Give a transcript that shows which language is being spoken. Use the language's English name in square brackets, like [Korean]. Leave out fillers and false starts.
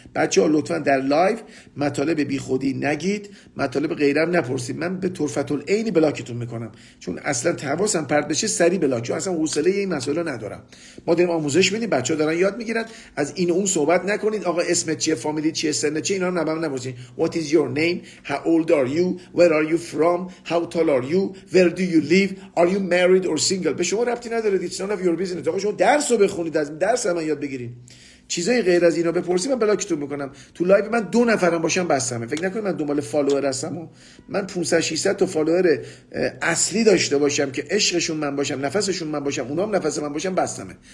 [Persian] بچه ها لطفاً در لایف مطالب بی خودی نگید، مطالب غیرم نپرسید. من به طرفت العینی بلاکتون میکنم، چون اصلا حواسم پرت بشه سری بلاک، چون اصلا حوصله این مسئله ندارم. ما داریم آموزش میدیم، بچه ها دارن یاد میگیرن. از این اون صحبت نکنید. آقا اسمت چیه، فامیلی چیه، سنت چیه، اینا رو نبهم نپرسید. [English] What is your name? How old are you? Where are you from? How tall are you? Where do you live? Are you married or single? [Persian] به شما ربطی ربطی نداره دیگه، چون [English] Of your business. [Persian] آقا شما درسو بخونید، از درس هم یاد بگیرید، چیزای غیر از اینا بپرسید من بلاکتون میکنم. تو لایو من دو نفرم باشم بسمه، فکر نکنید من دنبال فالوور هستم. من 500 600 تا فالوور اصلی داشته باشم که عشقشون من باشم، نفسشون من باشم، اونام نفس من باشم، بسمه.